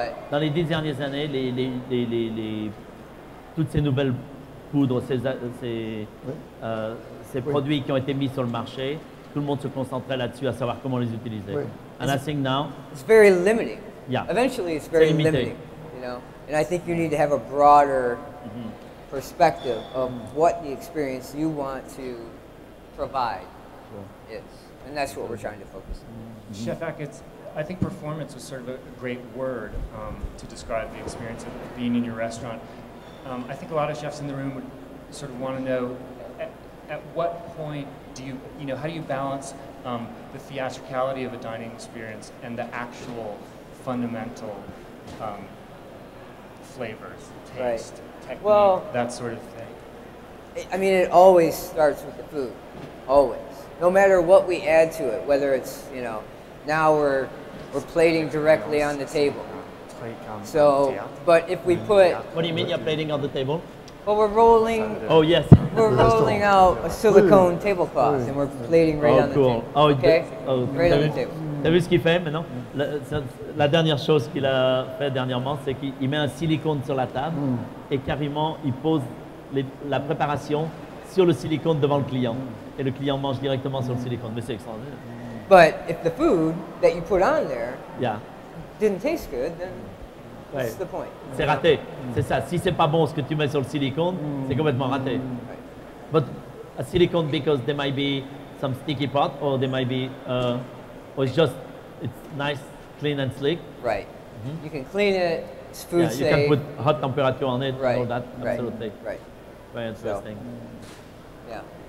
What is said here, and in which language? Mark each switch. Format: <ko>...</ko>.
<fr>Dans les 10 dernières années, toutes ces nouvelles poudres, ces produits qui ont été mis sur le marché, tout le monde se concentrait là-dessus à savoir comment les utiliser.</fr> <en>And I think now... It's very limiting. Yeah. Eventually it's very limiting, you know? And I think you need to have a broader perspective of what the experience you want to provide is. And that's what we're trying to focus on. Chef Achatz, I think performance was sort of a great word to describe the experience of being in your restaurant. I think a lot of chefs in the room would sort of want to know, at what point do you, you know, how do you balance the theatricality of a dining experience and the actual fundamental flavors, taste, right. technique, well, that sort of thing? I mean, it always starts with the food, always. No matter what we add to it, whether it's, you know, now we're plating directly on the table. So, but if we put... What do you mean you're plating on the table? Well, we're rolling. Oh yes. We're rolling out a silicone tablecloth, and we're plating right on the table. Oh cool. Okay. Right on the table.</en> <fr>T'as vu ce qu'il fait maintenant? La dernière chose qu'il a fait dernièrement, c'est qu'il met un silicone sur la table et carrément il pose la préparation sur le silicone devant le client et le client mange directement sur le silicone. Mais c'est extraordinaire.</fr> <en>But if the food that you put on there yeah. didn't taste good, then what's the point?</en> <fr>C'est raté. C'est ça. Si c'est pas bon ce que tu mets sur le silicone, c'est complètement raté.</fr> <en>Right. But a silicone because there might be some sticky part or there might be or it's just it's nice, clean and sleek. Right. Mm-hmm. You can clean it. It's food yeah, you safe. You can put hot temperature on it. Right. All that. Absolutely. Right. Very interesting. So, yeah.</en>